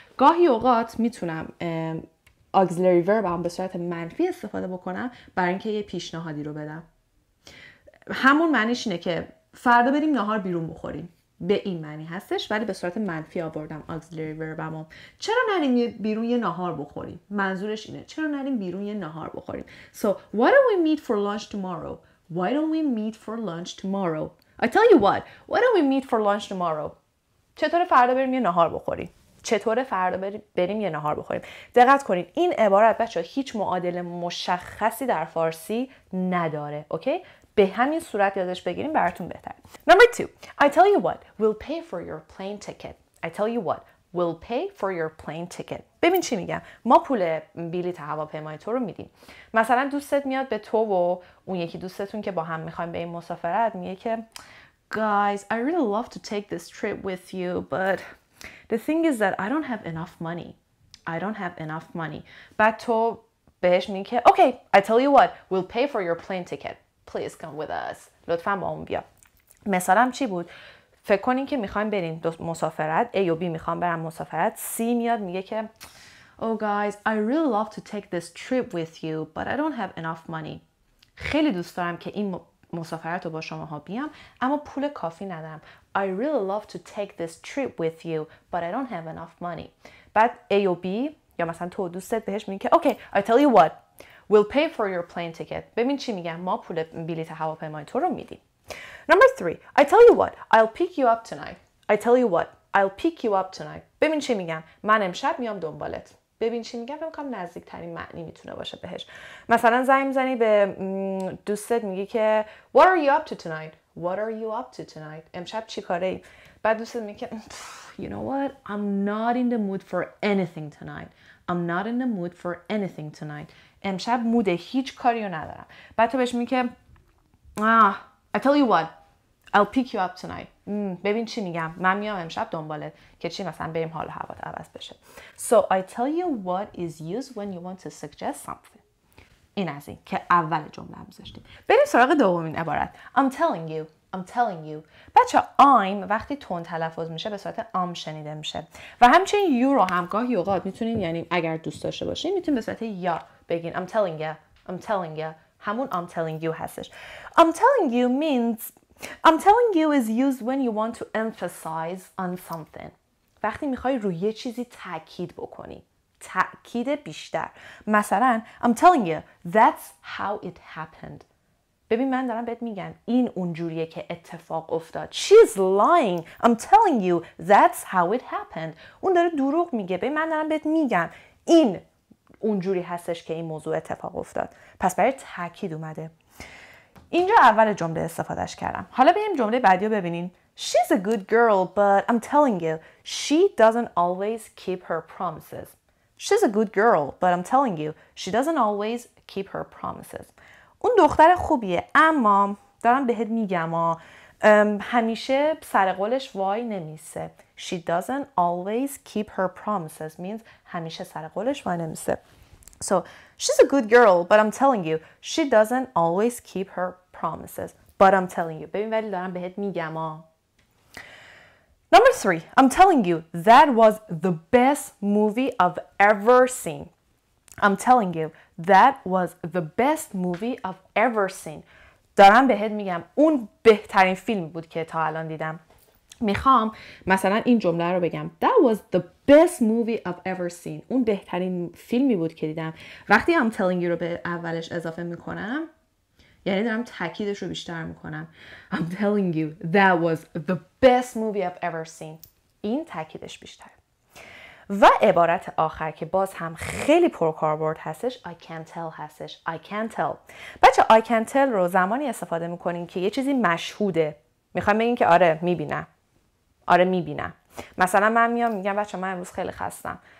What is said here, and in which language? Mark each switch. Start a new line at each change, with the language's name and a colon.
Persian: گاهی اوقات میتونم auxiliary verb هم به صورت منفی استفاده بکنم برای اینکه یه پیشنهادی رو بدم. همون معنیش اینه که فردا بریم نهار بیرون بخوریم، به این معنی هستش، ولی به صورت منفی آوردم auxiliary verbمو. چرا نریم بیرون یه نهار بخوریم؟ منظورش اینه چرا نریم بیرون یه نهار بخوریم.
English: So why don't we meet for lunch tomorrow? Why don't we meet for lunch tomorrow? I tell you what, why don't we meet for lunch tomorrow?
Persian: چطوره فردا بریم یه نهار بخوریم؟ چطوره فردا بریم یه نهار بخوریم؟ دقت کنید، این عبارت بچه‌ها هیچ معادل مشخصی در فارسی نداره، اوکی؟ به همین صورت یادش بگیریم براتون بهتره.
English: Number 2. I tell you what, we'll pay for your plane ticket. I tell you what, we'll pay for your plane ticket.
Persian: ببین چی میگم. ما پول بلیط هواپیمای تو رو میدیم. مثلا دوستت میاد به تو و اون یکی دوستتون که با هم میخوایم به این مسافرت، میگه که
English: Guys, I really love to take this trip with you, but the thing is that I don't have enough money. I don't have enough money.
Persian: بعد تو بهش میگه که
English: Okay, I tell you what, we'll pay for your plane ticket. Please come with us.
Persian: لطفاً با اون بیا. مثالم چی بود؟ فکر کنین که میخوایم برین مسافرت. A و B میخوام برم مسافرت.
English: C
Persian: میاد میگه که
English: Oh guys, I really love to take this trip with you, but I don't have enough money.
Persian: خیلی دوست دارم که این مسافرت رو با شماها بیام، اما پول کافی ندارم.
English: I really love to take this trip with you, but I don't have enough money.
Persian: بعد A و B یا مثلا تو دوستت بهش میگه که
English: Okay, I tell you what. We'll pay for your plane ticket.
Persian: ببین چی میگم، ما پول بلیط هواپیمای تو رو میدیم.
English: Number 3. I tell you what, I'll pick you up tonight. I tell you what, I'll pick you up tonight.
Persian: ببین چی میگم، من امشب میام دنبالت. ببین چی میگم، فکر کنم نزدیکترین معنی میتونه باشه بهش. مثلا زنگ میزنی به دوستت میگی که
English: What are you up to tonight? What are you up to tonight?
Persian: امشب چی کاره ای؟ بعد دوستت میگه
English: You know what? I'm not in the mood for anything tonight. I'm not in the mood for anything tonight.
Persian: امشب موده هیچ کاری رو ندارم. بعد تو بهش میگی که
English: I tell you what, I'll pick you up tonight.
Persian: ببین چی میگم، من میام امشب دنبالت که چی، مثلا بریم حال هوات عوض بشه.
English: So I tell you what is used when you want to suggest something.
Persian: این از این که اول جمله هم زشتیم. بریم سراغ دومین عبارت.
English: I'm telling you. I'm telling you.
Persian: بچه I'm وقتی تون تلفظ میشه به صورت I'm شنیده میشه و همچنین you رو هم گاهی اوقات میتونین، یعنی اگر دوست داشته باشین میتونین به صورت ya بگین.
English: I'm telling ya. I'm telling ya.
Persian: همون
English: I'm telling you
Persian: هستش.
English: I'm telling you means I'm telling you is used when you want to emphasize on something.
Persian: وقتی میخوای روی یه چیزی تاکید بکنی. تأکید بیشتر.
English: مثلا I'm telling you that's how it happened.
Persian: ببین من دارم بهت میگم این اونجوریه که اتفاق افتاد.
English: She's lying. I'm telling you that's how it happened.
Persian: اون داره دروغ میگه. ببین من دارم بهت میگم این اونجوری هستش که این موضوع اتفاق افتاد. پس برای تأکید اومده. اینجا اول جمله استفادهش کردم. حالا بریم جمله بعدی رو ببینین.
English: She's a good girl, but I'm telling you, she doesn't always keep her promises. She's a good girl, but I'm telling you, she doesn't always keep her promises.
Persian: اون دختر خوبیه اما دارم بهت میگم همیشه سر قولش وای نمیسه.
English: She doesn't always keep her promises means
Persian: همیشه سر قولش وای نمیسه.
English: So, she's a good girl, but I'm telling you, she doesn't always keep her promises. But I'm telling you.
Persian: ببین ولی دارم بهت میگم
English: Number 3. I'm telling you, that was the best movie I've ever seen. I'm telling you, that was the best movie I've ever seen.
Persian: دارم بهت میگم اون بهترین فیلم بود که تا الان دیدم. میخوام مثلا این جمله رو بگم.
English: That was the best movie I've ever seen.
Persian: اون بهترین فیلمی بود که دیدم. وقتی I'm telling you رو به اولش اضافه میکنم یعنی دارم تاکیدش رو بیشتر میکنم.
English: I'm telling you, that was the best movie I've ever seen.
Persian: این تاکیدش بیشتر. و عبارت آخر که باز هم خیلی پرکاربرد هستش I can tell هستش.
English: I can tell.
Persian: بچه I can tell رو زمانی استفاده میکنین که یه چیزی مشهوده. میخوام بگین که آره میبینم. آره میبینم. مثلا من میام میگم بچه من امروز خیلی خستم.